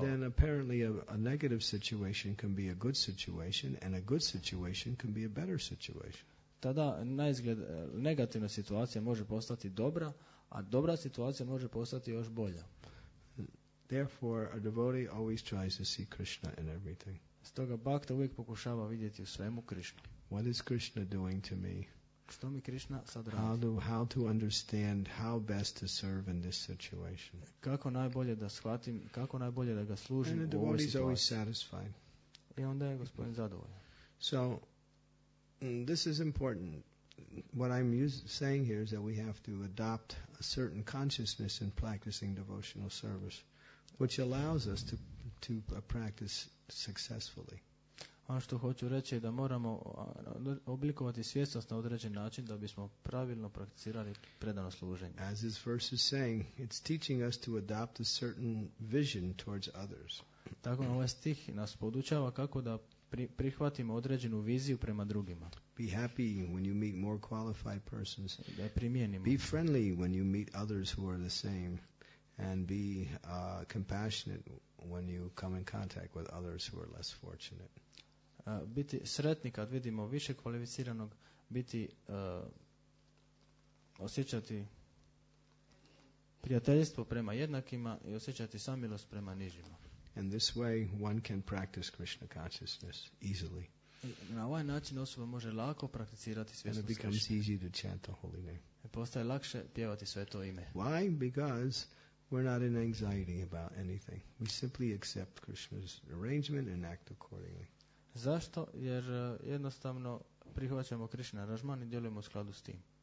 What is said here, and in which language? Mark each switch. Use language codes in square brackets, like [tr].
[en] then apparently a negative situation can be a good situation and a good situation can be a better situation. [hr] Tada na izgled negativna situacija može postati dobra, a dobra situacija može postati još bolja. [en] Therefore, a devotee always tries to see Krishna in everything. [hr] Stoga bhakta uvijek pokušava vidjeti u svemu Krishnu. [en] What is Krishna doing to me? [hr] Što mi Krishna sad radi? [en] How to understand how best to serve in this situation? [hr] Kako najbolje da shvatim, kako najbolje da ga služim u ovoj [en] And the devotee is always satisfied. [hr] I onda je gospodin zadovoljan. [en] So, this is important. What I'm saying here is that we have to adopt a certain consciousness in practicing devotional service, which allows us to practice successfully. [hr] Ono što hoću reći je da moramo oblikovati svjesnost na određen način da bismo pravilno prakticirali predano služenje. [en] As this verse is saying, it's teaching us to adopt a certain vision towards others. [hr] Tako ovaj stih nas podučava kako da prihvatimo određenu viziju prema drugima. [en] Be happy when you meet more qualified persons. [hr] Da primijenimo. [en] Be friendly when you meet others who are the same. And be compassionate when you come in contact with others who are less fortunate. [hr] Biti sretni kad vidimo više kvalificiranog, biti osjećati prijateljstvo prema jednakima i osjećati samilost prema nižima. [en] And this way one can practice Krishna consciousness easily. [hr] Na ovaj način osoba može lako prakticirati svjesnost. [en] And it becomes Krishna. Easy to chant the holy name. [hr] Postaje lakše pjevati sveto ime. [en] Why? Because we're not in anxiety about anything. We simply accept Krishna's arrangement and act accordingly. [hr] Zašto? Jer jednostavno prihvaćamo Krishna aranžman i djelujemo u skladu s tim.